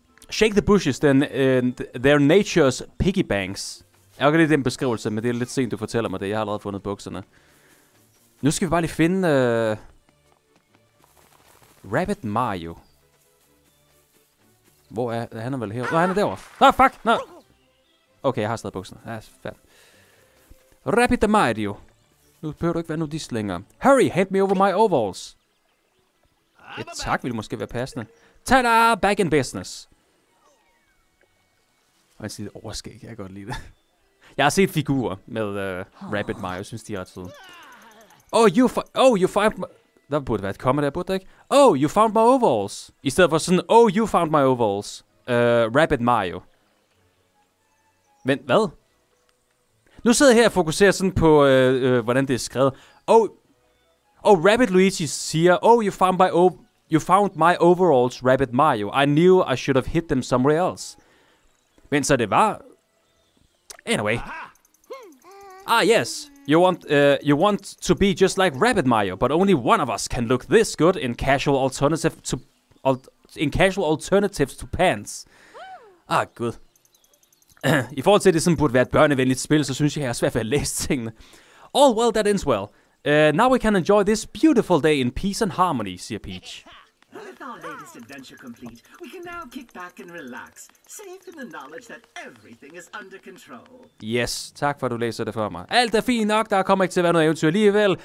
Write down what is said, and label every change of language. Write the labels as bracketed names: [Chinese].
[English] Shake the bushes, then they're nature's piggy banks. [Danish] Jeg kan lide den beskrivelse, men det er lidt sent, du fortæller mig det. Jeg har allerede fundet bukserne. Nu skal vi bare lige finde... Rabbit Mario. Hvor er... Han er vel her... Nå, han er derovre. Nå, [English] oh, fuck! [Danish] Nå! Okay, jeg har stadig bukserne. Ja, fandt. Rabbit Mario. Nu behøver du ikke være nudist længere. [English] Hurry, hand me over my overalls. [Danish] Et tak ville måske være passende. [English] Ta-da! Back in business. [Danish] Og en side overskæg, jeg kan godt lide det. Jeg har set figurer med Rabbit Mario, synes de er ret søde. Der burde være et komma der, burde der ikke? [English] Oh, you found my overalls! [Danish] I stedet for sådan, [English] oh, you found my overalls. [Danish] Rabbit Mario. Men hvad? Nu sidder jeg her og fokuserer sådan på, hvordan det er skrevet. [English] Oh, Rabbit Luigi siger, oh, you found my overalls, Rabbit Mario. I knew I should have hit them somewhere else. [Danish] Men så det var... [English] Anyway. Ah, yes. You want to be just like Rabbit Mario, but only one of us can look this good in casual alternative to... In casual alternatives to pants. Ah, gud. [Danish] I forhold til, at det sådan burde være et børnevenligt spil, så synes jeg, at jeg har svært ved at læse tingene. [English] All well that ends well. Now we can enjoy this beautiful day in peace and harmony, siger Peach. Adventure complete. We can now kick back and relax, safe in the knowledge that everything is under control. [Danish] Yes, tak for at du læser det for mig. Alt er fint nok, der kommer ikke til at være noget eventyr alligevel.